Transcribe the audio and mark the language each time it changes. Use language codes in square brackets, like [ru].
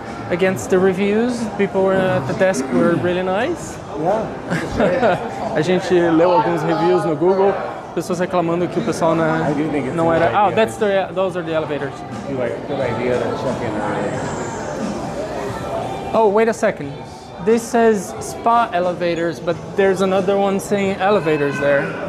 [en] Against the reviews, people were at the desk were really nice. Yeah. [pt] A gente leu alguns reviews no Google, pessoas reclamando que o pessoal não era... [en] Ah, oh, that's the, those are the elevators. Good idea to check in. Oh, wait a second. This says spa elevators, but there's another one saying elevators there.